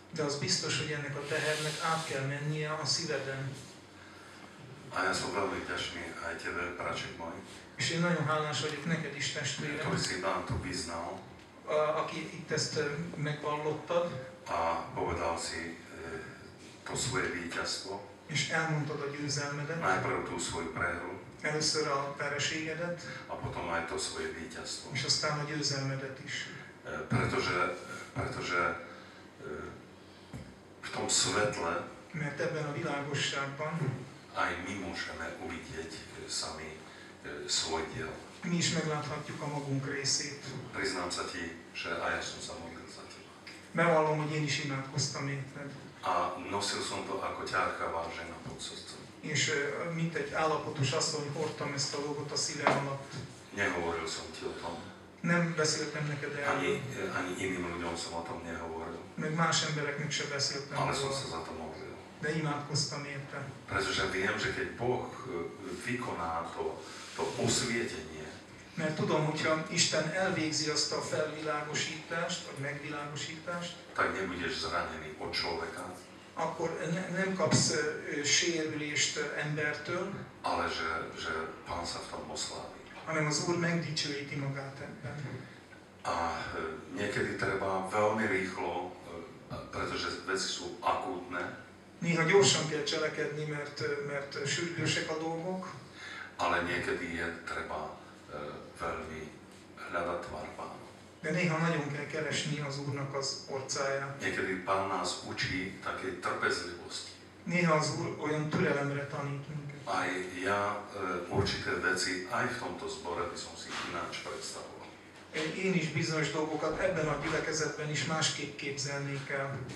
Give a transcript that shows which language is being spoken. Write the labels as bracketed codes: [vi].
[hu] De az biztos, hogy ennek a tehernek át kell mennie a szíveden. [sk] A ja som veľmi ťažný aj tebe, praček môj. [hu] És én nagyon hálás vagyok neked is, testvére. [sk] To si dám tu vyznal. [hu] Aki itt ezt megvallottad. [sk] A povedal si to svoje víťazstvo. [hu] És elmondtad a győzelmedet. [sk] Najprv tú svoju prehru. [hu] Először a vereségedet. [sk] A potom aj to svoje víťazstvo. [hu] És aztán a győzelmedet is. [sk] Pretože v tom svetle. [hu] Mert ebben a világosságban. [sk] Aj my môžeme uvidieť sami svoj diel. [hu] My is megláthatjuk a magunk részét. [sk] Priznám sa ti, že aj ja som sa modlil za teba. [hu] Bevallom, hogy én is imádkoztam érted. [sk] A nosil som to ako ťarcha vážená pod srdcom. [hu] És mint egy állapotos asszony hordtam ezt a dolgot a szívem alatt. [sk] Nehovoril som ti o tom. [hu] Nem beszéltem neked el. [sk] Ani iným ľuďom som o tom nehovoril. [hu] Meg más embereknek se beszéltem. [sk] Ale som sa za to modlil. [hu] De imádkoztam érte. [sk] Pretože viem, že keď Boh vykoná to osvietenie. [hu] Mert tudom, hogyha Isten elvégzi azt a felvilágosítást, vagy megvilágosítást. [sk] Tak nebudeš zranený od človeka. [hu] Akkor nem kapsz sérülést embertől. [sk] Ale že Pán sa v tom oslávi. [hu] Hanem az Úr megdicsőíti magát ebben. [sk] A niekedy treba veľmi rýchlo, pretože veci sú akútne. [hu] Néha gyorsan kell cselekedni, mert sürgősek a dolgok. [sk] Ale niekedy je treba veľmi hľadať tvár Pána. [hu] De néha nagyon kell keresni az Úrnak az orcáját. [sk] Niekedy Pán nás učí také trpezlivosti. [hu] Néha az Úr olyan türelemre tanít minket. [sk] Aj ja určité veci aj v tomto zbore by som si ináč predstavoval. [hu] Én is bizonyos dolgokat ebben a gyülekezetben is másképp képzelnék el.